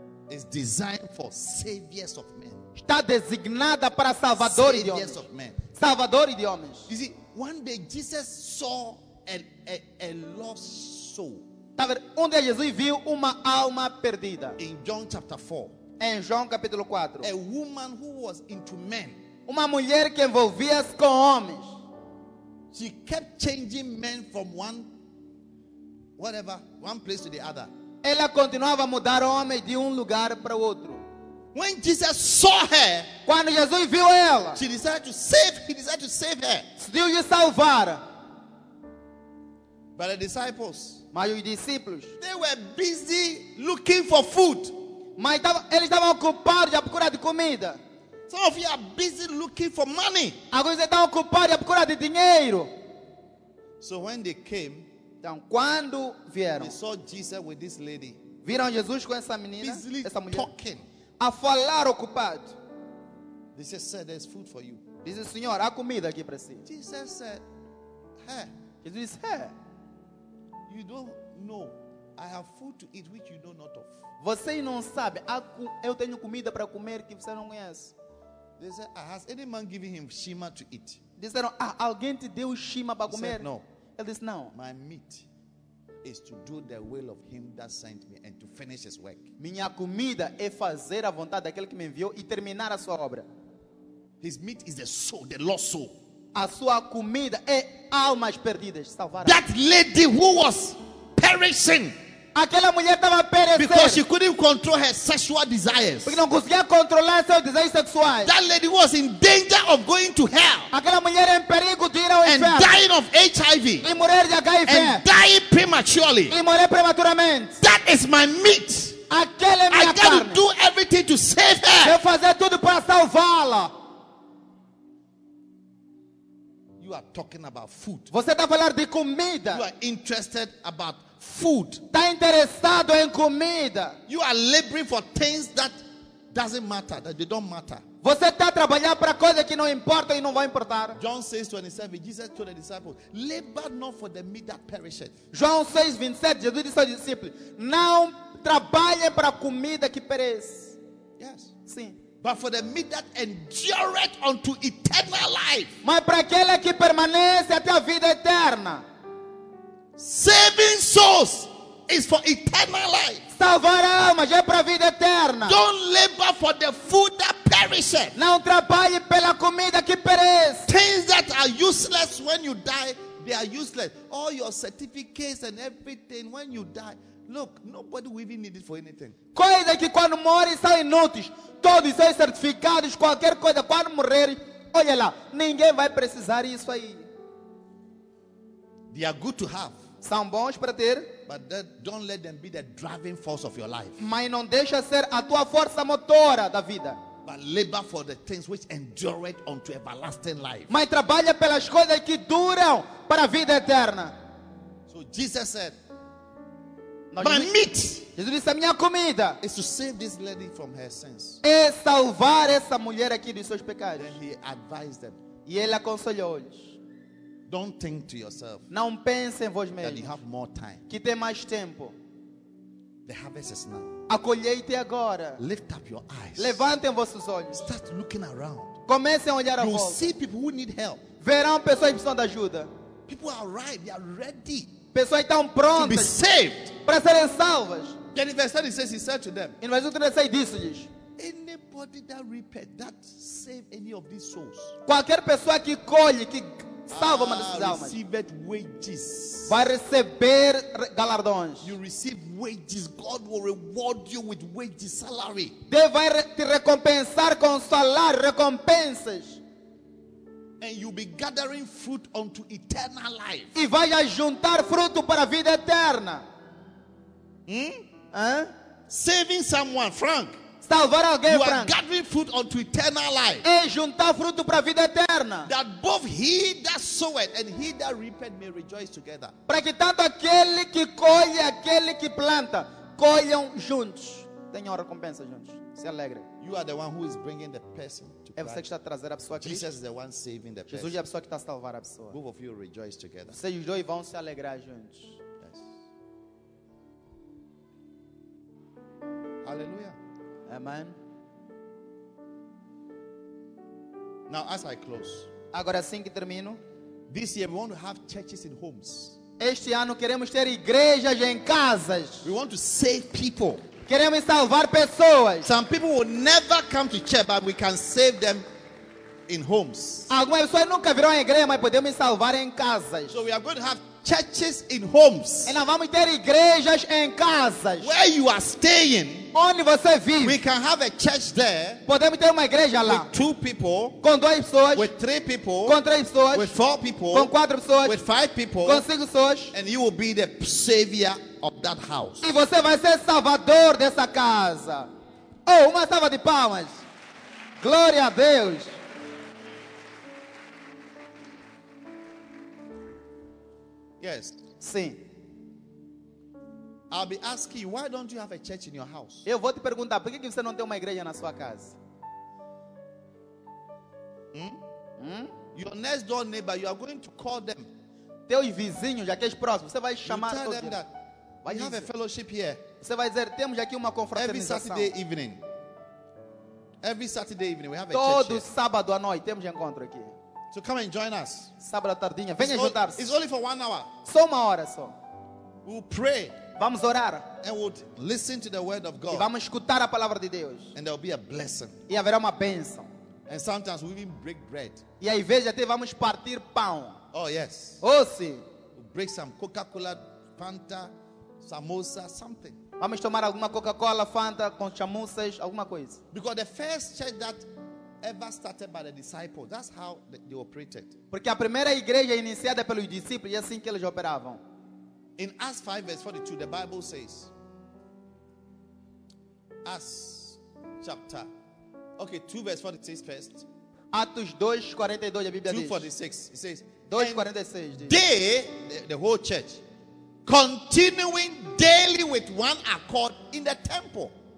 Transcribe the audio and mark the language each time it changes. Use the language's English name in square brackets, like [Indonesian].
[English] Is designed for saviors of men. [Portuguese] Está designada para salvadores de homens. [English] Of men. [Portuguese] Salvadores de homens. [English] You see, one day Jesus saw a lost soul. [Portuguese] Tá vendo? Um dia Jesus viu uma alma perdida. [English] In John chapter 4. [Portuguese] Em João capítulo 4. [English] A woman who was into men. [Portuguese] Uma mulher que envolvia-se com homens. [English] She kept changing men from one one place to the other. [Portuguese] Ela continuava a mudar homens de lugar para outro. [English] When Jesus saw her, [Portuguese] quando Jesus viu ela, [English] she decided to save. He decided to save her. [Portuguese] Decidiu lhe salvar. [English] But the disciples, [Portuguese] mas os discípulos, [English] they were busy looking for food. [Portuguese] Mas eles estavam ocupados à procura de comida. [English] Some of you are busy looking for money. [Portuguese] Alguns estão ocupados à procura de dinheiro. [English] So when they came. [Portuguese] Então, quando vieram, [English] they saw Jesus with this lady, [Portuguese] viram Jesus com essa menina, [English] busily [Portuguese] essa mulher, [English] talking, [Portuguese] a falar ocupado. [English] Jesus said, "There's food for you." [Portuguese] Disse, Senhor, há comida aqui para si. [English] Jesus said, "Hey." [Portuguese] Jesus disse, "Hey." [English] You don't know, I have food to eat which you know not of. [Portuguese] Você não sabe, eu tenho comida para comer que você não conhece. [English] They said, "Has any man given him shima to eat?" [Portuguese] Disseram, alguém te deu shima para comer? [English] Said, no. This now, my meat is to do the will of him that sent me and to finish his work. [Portuguese] Minha comida é fazer a vontade daquele que me enviou e terminar a sua obra. [English] His meat is the soul, the lost soul. [Portuguese] A sua comida é almas perdidas, salvar. [English] That lady who was perishing. [Portuguese] Aquela mulher estava perecendo. [English] Because she couldn't control her sexual desires. [Portuguese] Porque não conseguia controlar seus desejos sexuais. [English] That lady was in danger of going to hell. [Portuguese] Aquela mulher em perigo de ir ao inferno. [English] And dying of HIV. [Portuguese] E morrer de HIV. [English] And dying prematurely. [Portuguese] E morrer prematuramente. [English] That is my meat. [Portuguese] Aquela é minha carne. [English] I gotta do everything to save her. [Portuguese] Eu fazer tudo para salvá-la. [English] You are talking about food. [Portuguese] Você está falando de comida. [English] You are interested about food. [Portuguese] Tá interessado em comida. [English] You are laboring for things that doesn't matter, that they don't matter. [Portuguese] Você tá trabalhando para coisas que não importam e não vai importar. [English] John 6:27, Jesus told the disciples, labor not for the meat that perishes. [Portuguese] João 6:27, Jesus disse aos discípulos, não trabalhe para comida que perece. [English] Yes. [Portuguese] Sim. [English] But for the meat that endureth unto eternal life. [Portuguese] Mas para aquele que permanece até a vida eterna. [English] Saving souls is for eternal life. [Portuguese] Salvar almas é para a vida eterna. [English] Don't labor for the food that perishes. [Portuguese] Não trabalhe pela comida que perece. [English] Things that are useless when you die, they are useless. All your certificates and everything, when you die, look, nobody will even need it for anything. [Portuguese] Coisas que quando morrem são inúteis. Todos são certificados, qualquer coisa, quando morrer, olha lá, ninguém vai precisar disso aí. [English] They are good to have. [Portuguese] São bons para ter. [English] But that, don't let them be the driving force of your life. [Portuguese] Mas não deixa ser a tua força motora da vida. [English] But labor for the things which endure unto everlasting life. [Portuguese] Mas trabalha pelas coisas que duram para a vida eterna. [English] So Jesus said, now, my meat. [Portuguese] Jesus disse, a minha comida. [English] Is to save this lady from her sins. [Portuguese] É salvar essa mulher aqui dos seus pecados. [English] And he advised them. [Portuguese] E ele aconselhou-lhes. [English] Don't think to yourself. [Portuguese] Não pense em vós mesmo. [English] That you have more time. [Portuguese] Que tem mais tempo. [English] The harvest is now. [Portuguese] A colheita é agora. [English] Lift up your eyes. [Portuguese] Levantem vossos olhos. [English] Start looking around. [Portuguese] Comecem a olhar à volta. [English] You'll see people who need help. [Portuguese] Verão pessoas que precisam de ajuda. [English] People are ripe. They are ready. [Portuguese] Pessoas estão prontas. [English] To be saved. [Portuguese] Para serem salvas. [English] Then in verse 30 says, he said to them. In verse 30 [Portuguese] disse-lhes. [English] Anybody that repent, that save any of these souls. [Portuguese] Qualquer pessoa que colhe, que salva uma dessas almas. [English] Receiveth wages. [Portuguese] Vai receber galardões. [English] You receive wages. God will reward you with wages, salary. [Portuguese] Deus vai te recompensar com salário, recompensas. [English] and you'll be gathering fruit unto eternal life. [Portuguese] E vai juntar fruto para a vida eterna. [English] Saving someone, Frank. [Portuguese] Salvar alguém, [English] you [Portuguese] Frank. [English] Are gathering fruit unto eternal life. [Portuguese] E juntar fruto para a vida eterna. [English] That both he that sowed and he that reaped may rejoice together. [Portuguese] Para que tanto aquele que colhe e aquele que planta colham juntos. Tenham recompensa juntos. Se alegre. [English] You are the one who is bringing the person. [Portuguese] É você que está trazendo a pessoa a Cristo. [English] Jesus is the one saving the [Portuguese] Jesus é a pessoa que está a salvar a pessoa. [English] Both of you rejoice together. [Portuguese] Vocês dois vão se alegrar juntos. [English] Yes. [Portuguese] Aleluia. Amém. [English] Now as I close. [Portuguese] Agora assim que termino. [English] This year we want to have churches in homes. [Portuguese] Este ano queremos ter igrejas em casas. [English] We want to save people. [Portuguese] Queremos salvar pessoas. [English] Some people will never come to church, but we can save them in homes. [Portuguese] Algumas pessoas nunca virão à igreja, mas podemos salvar em casas. [English] So we are going to have churches in homes. [Portuguese] E nós vamos ter igrejas em casas. [English] Where you are staying, [Portuguese] onde você vive, [English] we can have a church there. [Portuguese] Podemos ter uma igreja lá. [English] With two people, [Portuguese] com duas pessoas. [English] With three people, [Portuguese] com três pessoas. [English] With four people, [Portuguese] com quatro pessoas. [English] With five people, [Portuguese] com cinco pessoas. [English] And you will be the savior of that house. [Portuguese] E você vai ser salvador dessa casa. Oh, uma salva de palmas. Glória a Deus. [English] Yes. [Portuguese] Sim. [English] I'll be asking you, why don't you have a church in your house? [Portuguese] Eu vou te perguntar, por que você não tem uma igreja na sua casa? [English] Your next door neighbor, you are going to call them. [Portuguese] Teus vizinhos, aqueles próximos, você vai chamar todos. [English] We have a fellowship here. [Portuguese] Você vai dizer, temos aqui uma confraternização. [English] Every Saturday evening. Every Saturday evening we have a [Portuguese] todo [English] church. [Portuguese] Todo sábado à noite temos encontro aqui. [English] So come and join us. [Portuguese] Sábado à tardinha, venha juntar-se. [English] It's only for 1 hour. [Portuguese] Só uma hora só. [English] We'll pray. [Portuguese] Vamos orar. [English] And we'll listen to the word of God. [Portuguese] E vamos escutar a palavra de Deus. [English] And there'll be a blessing. [Portuguese] E haverá uma bênção. [English] And sometimes we even break bread. [Portuguese] E aí veja, até vamos partir pão. [English] Oh yes. [Portuguese] Oh sim. [English] We'll break some Coca-Cola, Fanta, samosa, something. [Portuguese] Vamos tomar alguma Coca-Cola, Fanta com chamuças, alguma coisa. [English] Because the first church that ever started by the disciples, that's how they operated. [Portuguese] Porque a primeira igreja iniciada pelos discípulos, é assim que eles operavam. [English] In Acts 5 verse 42, the Bible says, Acts chapter, okay, 2 verse 46 first. [Portuguese] Atos 2:42, a Bíblia diz. [English] 2:46, it says. [Portuguese] 2:46. [English] They, the whole church, continuing daily with one accord in the temple.